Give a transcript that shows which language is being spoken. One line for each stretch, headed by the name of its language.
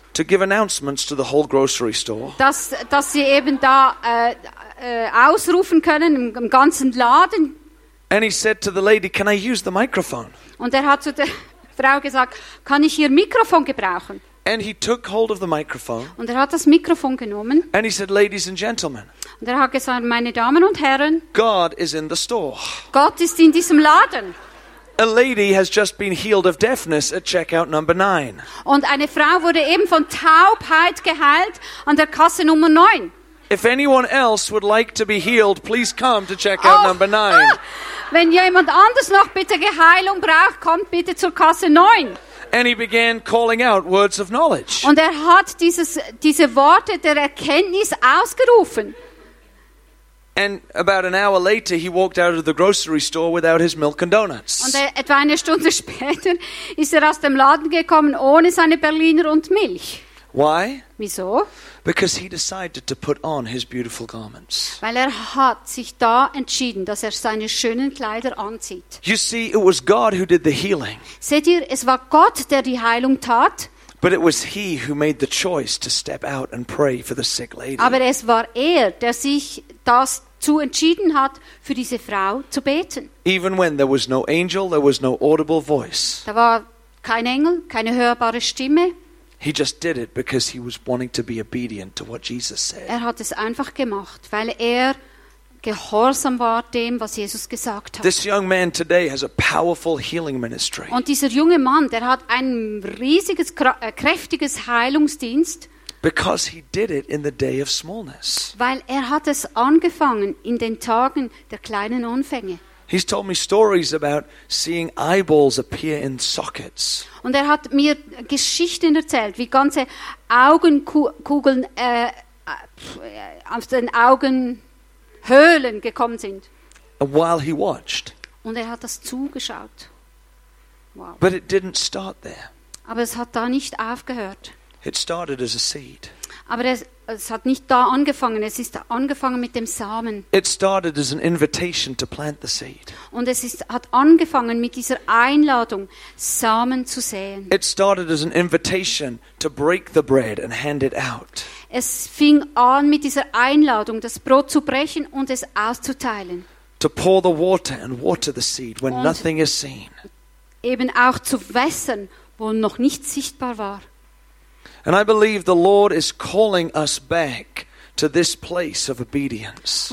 English: To give announcements to the whole grocery store.
German: Dass sie eben da ausrufen können im ganzen Laden.
English: And he said to the lady, "Can I use the microphone?"
German: Und er hat zu der Frau gesagt, "Kann ich ihr Mikrofon gebrauchen?"
English: And he took hold of the microphone.
German: Und er hat das Mikrofon genommen.
English: And he said, "Ladies and gentlemen."
German: Und er hat gesagt, meine Damen und Herren.
English: God is in the store.
German: Gott ist in diesem Laden.
English: A lady has just been healed of deafness at checkout number 9.
German: Und eine Frau wurde eben von Taubheit geheilt an der Kasse Nummer 9.
English: If anyone else would like to be healed, please come to checkout number 9.
German: Wenn jemand anders noch bitte Geheilung braucht, kommt bitte zur Kasse 9.
English: And he began calling out words of knowledge.
German: Und er hat diese Worte der Erkenntnis ausgerufen.
English: And about an hour later, he walked out of the grocery store without his milk and donuts.
German: Und etwa eine Stunde später ist er aus dem Laden gekommen ohne seine Berliner und Milch.
English: Why?
German: Wieso?
English: Because he decided to put on his beautiful garments.
German: Weil er hat sich da entschieden, dass er seine schönen Kleider anzieht.
English: You see, it was God who did the healing.
German: Seht ihr, es war Gott, der die Heilung tat.
English: But it was he who made the choice to step out and pray for the sick lady.
German: Aber es war er, der sich das zu entschieden hat, für diese Frau zu beten.
English: Even when there was no angel, there was no audible voice.
German: Da war kein Engel, keine hörbare Stimme.
English: He just did it because he was wanting to be obedient to what Jesus said.
German: Er hat es einfach gemacht, weil er gehorsam war dem, was Jesus gesagt hat.
English: This young man today has a powerful healing ministry.
German: Und dieser junge Mann, der hat ein riesiges, kräftiges Heilungsdienst.
English: Because he did it in the day of smallness.
German: Weil hat es angefangen in den Tagen der kleinen Anfänge.
English: He's told me stories about seeing eyeballs appear in sockets.
German: Und hat mir Geschichten erzählt, wie ganze Augenkugeln aus den Augenhöhlen gekommen sind.
English: And while he watched.
German: Und hat das zugeschaut.
English: Wow. But it didn't start there.
German: Aber es hat da nicht aufgehört.
English: It started as a seed.
German: Aber es hat nicht da angefangen, es ist angefangen mit dem Samen.
English: It started as an invitation to plant the seed.
German: Und es hat angefangen mit dieser Einladung, Samen zu säen.
English: It started as an invitation to break the bread and hand it out.
German: Es fing an mit dieser Einladung, das Brot zu brechen und es auszuteilen.
English: To pour the water and water the seed when nothing is seen.
German: Eben auch zu wässern, wo noch nichts sichtbar war.
English: And I believe the Lord is calling us back to this place of obedience.